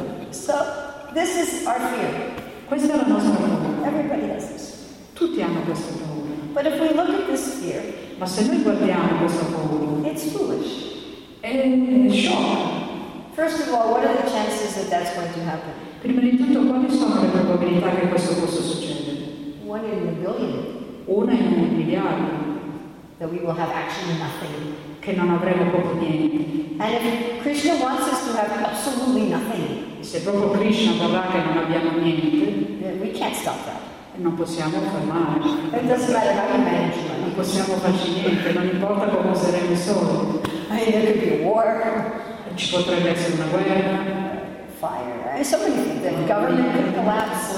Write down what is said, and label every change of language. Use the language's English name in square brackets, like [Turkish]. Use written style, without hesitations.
[English] So, this is our fear. [Italian] Questa è la nostra paura. [English] Everybody has this. [Italian] Tutti hanno questa paura. [English] But if we look at this fear, [Italian] ma se noi guardiamo questa paura, [English] it's foolish. [Italian] È sciocco. [English] First of all, what are the chances that that's going to happen? [Italian] Prima di tutto, quali sono le probabilità che questo possa succedere? [English] One in a billion. [Italian] Una in un miliardo. [English] That we will have actually nothing. [Italian] Che non avremo proprio niente. [English] And if Krishna wants us to have absolutely nothing, [Italian] se proprio Krishna vorrà che non abbiamo niente, [English] then we can't stop that. [Italian] Non possiamo fermare. [English] It doesn't matter how you manage. [Italian] Non possiamo farci niente, non importa come saremo soli. [English] I mean, there could be a war. [Italian] Ci potrebbe essere una guerra. [English] Fire. So many things. The government could collapse.